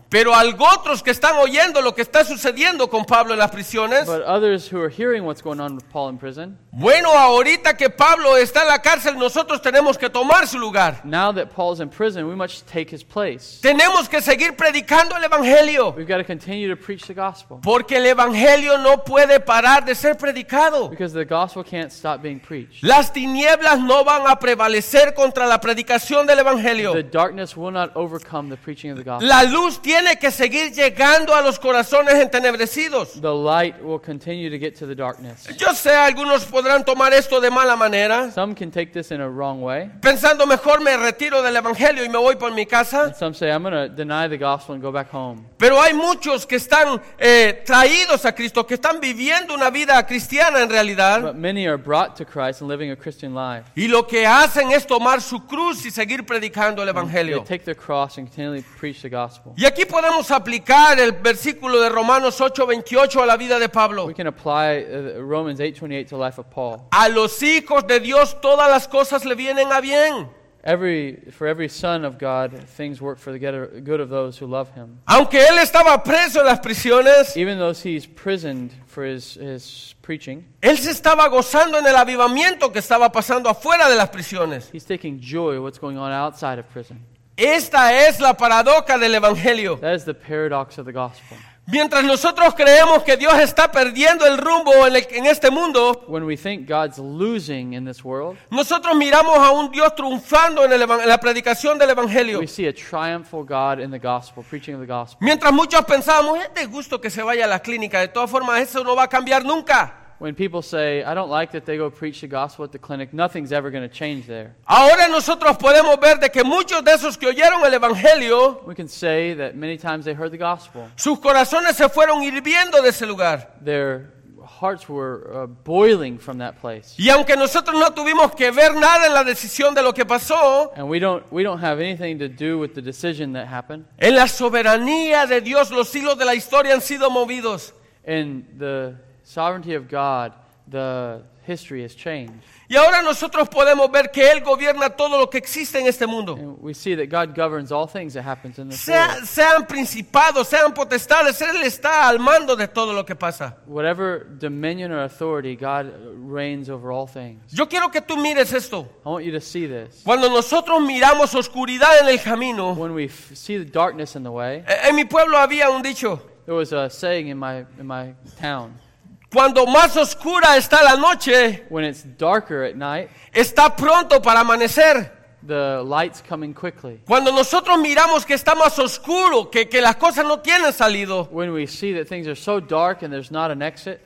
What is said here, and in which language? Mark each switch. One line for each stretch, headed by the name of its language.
Spanish: Pero otros que están oyendo lo que está sucediendo con Pablo en las prisiones.
English: But others who are hearing what's going on with Paul in prison.
Spanish: Bueno, ahorita que Pablo está en la cárcel, nosotros tenemos que tomar su lugar.
English: Now that Paul's in prison, we must take his place.
Spanish: Tenemos que seguir predicando el evangelio.
English: We've got to continue to preach the gospel.
Spanish: Porque el evangelio no puede parar de ser predicado.
English: Because the gospel can't stop being preached.
Spanish: Las tinieblas no van a prevalecer contra la predicación del evangelio.
English: The darkness will not overcome the preaching of the gospel.
Spanish: La luz tiene que seguir llegando a los corazones entenebrecidos.
English: The light will continue to get to the darkness.
Spanish: Yo sé, algunos podrán tomar esto de mala manera.
English: Some can take this in a wrong way.
Spanish: Pensando, mejor me retiro del evangelio y me voy por mi casa.
English: And some say, I'm going to deny the gospel and go back home.
Spanish: Pero hay muchos que están traídos a Cristo, que están viviendo una vida cristiana en realidad.
English: But many are brought to Christ and living a Christian life.
Spanish: Y lo que hacen es tomar su cruz y seguir predicando.
English: They take their cross and continually preach the gospel.
Spanish: Y aquí podemos aplicar el versículo de Romanos 8:28 a la vida de Pablo.
English: We can apply Romans 8:28 to the life of Paul.
Spanish: A los hijos de Dios todas las cosas le vienen a bien.
English: For every son of God, things work for the good of those who love him.
Spanish: Aunque él estaba preso en las prisiones,
English: even though he's imprisoned for his preaching,
Spanish: él se estaba gozando en el avivamiento que estaba pasando afuera de las prisiones.
English: He's taking joy what's going on outside of prison.
Spanish: Esta es la paradoja del evangelio.
English: That is the paradox of the gospel.
Spanish: Mientras nosotros creemos que Dios está perdiendo el rumbo en este mundo,
English: when we think God's losing in this world,
Spanish: nosotros miramos a un Dios triunfando en la predicación del Evangelio.
English: We see a triumphal God in the gospel, preaching of the gospel.
Spanish: Mientras muchos pensamos, es de gusto que se vaya a la clínica, de todas formas eso no va a cambiar nunca.
English: When people say, I don't like that they go preach the gospel at the clinic, nothing's ever going to change there.
Spanish: Ahora nosotros podemos ver de que muchos de esos que oyeron el evangelio,
English: we can say that many times they heard the gospel.
Spanish: Sus corazones se fueron hirviendo de ese lugar.
English: Their hearts were boiling from that place.
Spanish: Y aunque nosotros no tuvimos que ver nada en la decisión de lo que pasó,
English: and we don't have anything to do with the decision that happened.
Spanish: En la soberanía de Dios, los hilos de la historia han sido movidos.
English: In the sovereignty of God, the history has changed.
Spanish: Y ahora nosotros podemos ver que Él gobierna todo lo que existe en este mundo.
English: And we see that God governs all things that happens in this world.
Spanish: Sean principados, sean potestades, Él está al mando de todo lo que pasa.
English: Whatever dominion or authority, God reigns over all things.
Spanish: Yo quiero que tú mires esto.
English: I want you to see this.
Spanish: Cuando nosotros miramos oscuridad en el camino,
English: when we see the darkness in the way,
Spanish: en mi pueblo había un dicho.
English: There was a saying in my town.
Spanish: Cuando más oscura está la noche,
English: when it's darker at night,
Spanish: está pronto para amanecer.
English: The light's coming quickly.
Spanish: Cuando nosotros miramos que está más oscuro, que las cosas no tienen salido,
English: when we see that things are so dark and there's not an exit,